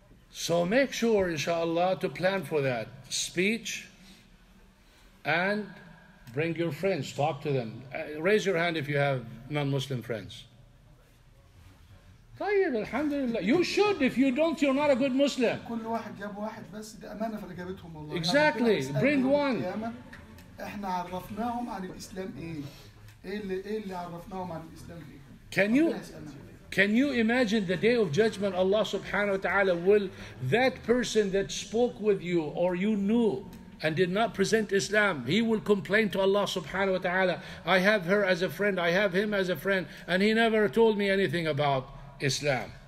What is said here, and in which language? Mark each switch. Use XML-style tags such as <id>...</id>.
<en>So make sure, inshallah, to plan for that. Speech and bring your friends. Talk to them. Raise your hand if you have non-Muslim friends.</en> <ar>طيب الحمد لله.</ar> <en>You should. If you don't, you're not a good Muslim.</en> <ar>كل واحد جاب واحد بس دي أمانة فاللي جابتهم والله.</ar> <en>Exactly. Bring one.</en> <ar>إحنا عرفناهم عن الإسلام إيه اللي عرفناهم عن الإسلام إيه.</ar> <en>Can you imagine the day of judgment? Allah subhanahu wa ta'ala, will that person that spoke with you or you knew and did not present Islam, he will complain to Allah subhanahu wa ta'ala, I have her as a friend, I have him as a friend, and he never told me anything about Islam.</en>